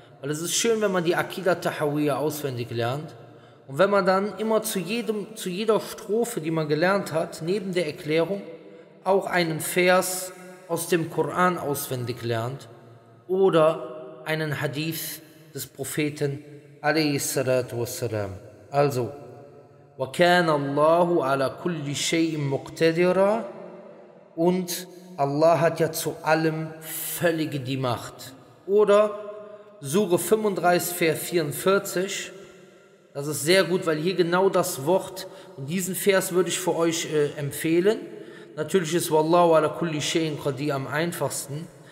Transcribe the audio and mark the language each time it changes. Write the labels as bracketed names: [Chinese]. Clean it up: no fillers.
[German] Weil es ist schön, wenn man die Aqida Tahawiyya auswendig lernt. Und wenn man dann immer zu jeder Strophe, die man gelernt hat, neben der Erklärung, auch einen Vers aus dem Koran auswendig lernt. Oder einen Hadith des Propheten alayhi salatu wassalam. Also, [Arabic] وَكَانَ اللَّهُ عَلَى كُلِّ شَيْءٍ مُقْتَدِرًا. [German] Und Allah hat ja zu allem völlig die Macht. Oder Sure 35, Vers 44. Das ist sehr gut, weil hier genau das Wort, und diesen Vers würde ich für euch empfehlen. Natürlich ist Wallahu ala kulli shay'in qadir am einfachsten.